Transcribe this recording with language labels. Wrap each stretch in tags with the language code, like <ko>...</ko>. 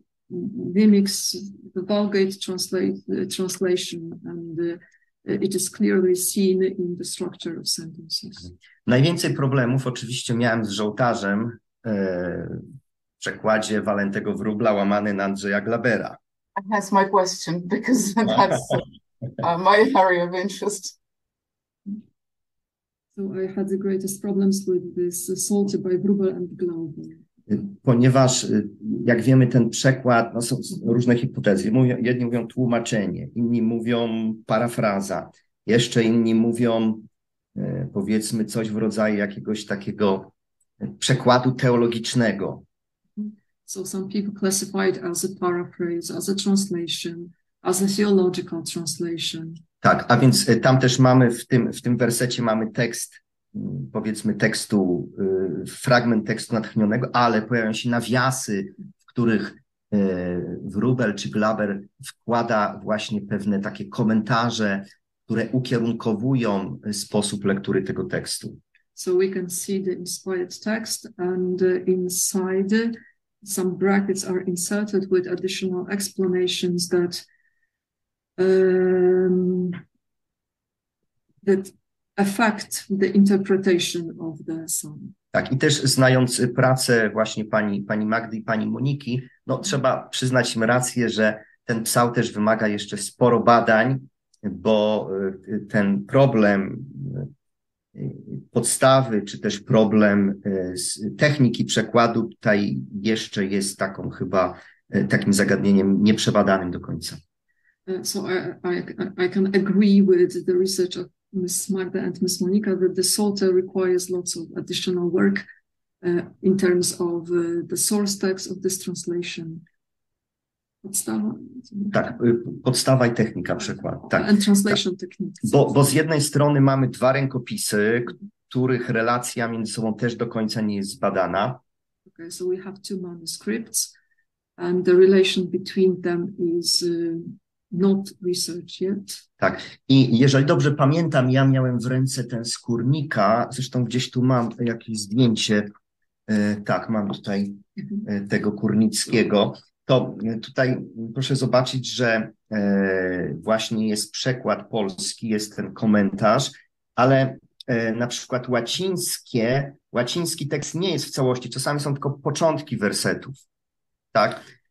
<en>mimics the Vulgate translation, and it is clearly seen in the structure of sentences.</en> <pl>Najwięcej problemów oczywiście miałem z żołtarzem w przekładzie Walentego Wróbla łamany na Andrzeja Glabera.</pl> <en>And that's my question, because that's my area of interest. So I had the greatest problems with this Psalter by Wróbel and Glauber.</en> <pl>Ponieważ, jak wiemy, ten przekład, no są różne hipotezy. Jedni mówią tłumaczenie, inni mówią parafraza, jeszcze inni mówią, powiedzmy, coś w rodzaju jakiegoś takiego przekładu teologicznego.</pl> <en>So some people classify it as a paraphrase, as a translation, as a theological translation.</en> <pl>Tak, a więc tam też mamy, w tym wersecie mamy tekst, powiedzmy tekstu, fragment tekstu natchnionego, ale pojawiają się nawiasy, w których Wróbel czy Glaber wkłada właśnie pewne takie komentarze, które ukierunkowują sposób lektury tego tekstu.</pl> <en>So we can see the inspired text and inside some brackets are inserted with additional explanations that that affect the interpretation of the psalm.</en> <pl>Tak, i też znając pracę właśnie pani Magdy i pani Moniki, no trzeba przyznać im rację, że ten psał też wymaga jeszcze sporo badań, bo ten problem podstawy, czy też problem z techniki przekładu tutaj jeszcze jest taką chyba takim zagadnieniem nieprzebadanym do końca.</pl> <en>So I can agree with the research of Ms. Magda and Ms. Monika that the Psalter requires lots of additional work in terms of the source text of this translation.</en> <pl>Podstawa. Tak, podstawa i technika przekładu. Tak.</pl> <en>And translation techniques.</en> <pl>Bo z jednej strony mamy dwa rękopisy, których relacja między sobą też do końca nie jest zbadana.</pl> <en>Okay, so we have two manuscripts and the relation between them is not researched yet.</en> <pl>Tak. I jeżeli dobrze pamiętam, ja miałem w ręce ten skórnika, zresztą gdzieś tu mam jakieś zdjęcie. Tak, mam tutaj tego Kurnickiego. To tutaj proszę zobaczyć, że właśnie jest przekład polski, jest ten komentarz, ale na przykład łaciński tekst nie jest w całości, czasami są tylko początki wersetów, tak?</pl>